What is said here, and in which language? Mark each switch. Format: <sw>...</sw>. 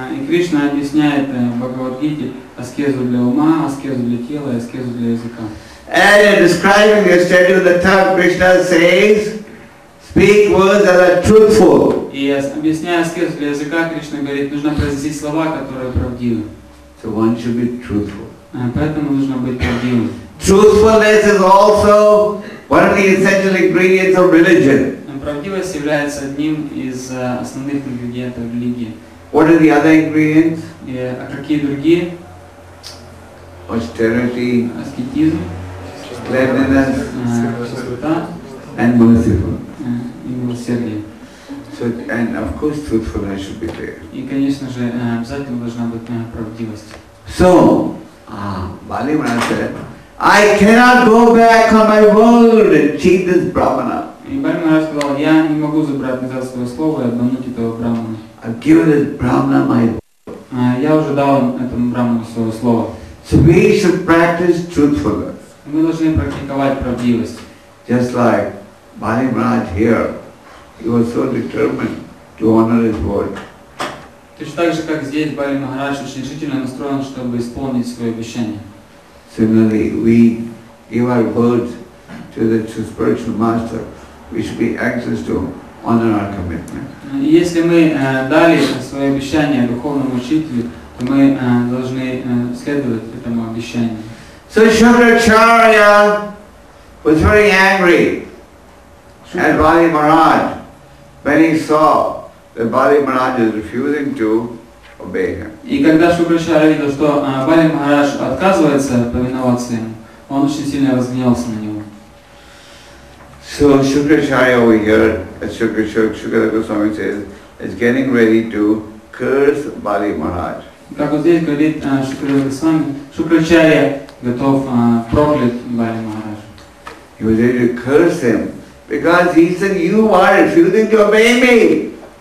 <ru>И Кришна объясняет Бхагавад Гите аскезу для ума, аскезу для тела, аскезу для языка.</ru> <en>And in describing the austerity of the tongue, Krishna says, speak words that are truthful.</en> <ru>И объясняя аскезу для языка, Кришна говорит, нужно произнести слова, которые правдивы.</ru> <en>So one should be truthful.</en> <ru>Поэтому нужно быть правдивым.</ru> <en>Truthfulness is also one of the essential ingredients of religion.</en> <ru>Правдивость является одним из основных ингредиентов религии.</ru> <en>What are the other ingredients?</en> <ru>А какие другие?</ru> <en>Austerity.</en> <ru>Аскетизм.</ru> <en>Cleanliness.</en> <ru>Чистота.</ru> <en>And merciful.</en> <ru>И милосердие.</ru> <en>So, and of course, truthfulness should be there.</en> <ru>И, конечно же, обязательно должна быть правдивость.</ru> <en>So, Bali Maharaj said, I cannot go back on my word and cheat this brahmana.</en> <ru>И Бали Маха сказал, я не могу забрать назад свое слово и обмануть этого брахмана.</ru> <en>I've given this brahmana my word.</en> <ru>Я уже дал этому брахману свое слово.</ru> <en>So we should practice truthfulness.</en> <ru>Мы должны практиковать правдивость.</ru> <en>Just like Bali Maharaj here. He was so determined to honor his word.</en> <ru>Точно так же, как здесь Бали Махарадж очень решительно настроен, чтобы исполнить свое обещание.</ru> <en>Similarly, we give our words to the spiritual master. We should be anxious to honor our commitment.</en> <ru>Если мы дали свое обещание духовному учителю, то мы должны следовать этому обещанию.</ru> <en>So Shukracharya was very angry at Bali Maharaj. When he saw that Bali Maharaj is refusing to obey him.</en> <ru>И когда Шукрачарья видел, что Бали Махарадж отказывается повиноваться ему, он очень сильно разгневался на него.</ru> <en>So Шукрачарья over here, as Шукрачарья Госвами says, is getting ready to curse Бали Махарадж.</en> <ru>Как вот здесь говорит Шукрачарья Госвами, Шукрачарья готов проклять Бали Махарадж.</ru> <en>He was ready to curse him. Because he said, you are refusing to obey me.</en>